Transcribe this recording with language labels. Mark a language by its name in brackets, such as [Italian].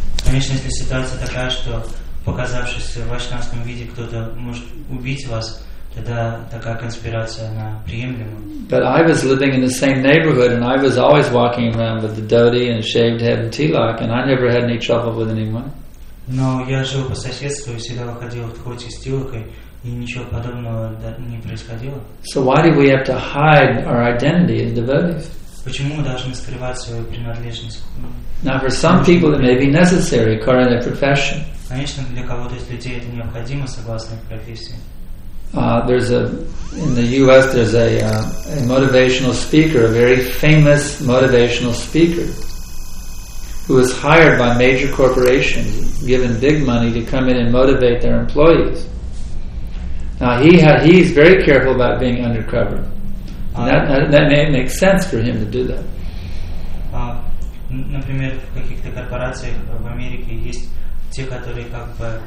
[Russian] Конечно, если ситуация такая, что показавшись в вайшнавском виде, кто-то может убить вас, тогда такая конспирация, она приемлема. [English] But I was living in the same neighborhood and I was always walking around with the dhoti and shaved head and tilak and I never had any trouble with anyone. [Russian] Но я жил по соседству и всегда выходил в дхоти с тилакой и ничего подобного не происходило. [English] So why do we have to hide our identity as devotees? [Russian] Почему мы должны скрывать свою принадлежность? [English] Now for some people it may be necessary according to their profession. [Russian] Конечно, для кого-то из людей это необходимо, согласно их профессии. [English] In the U.S. there's a motivational speaker, a very famous motivational speaker, who was hired by major corporations, given big money to come in and motivate their employees. Now he's very careful about being undercover. That makes sense for him to do that. [Russian] Например, в каких-то корпорациях в Америке есть те, которые как бы...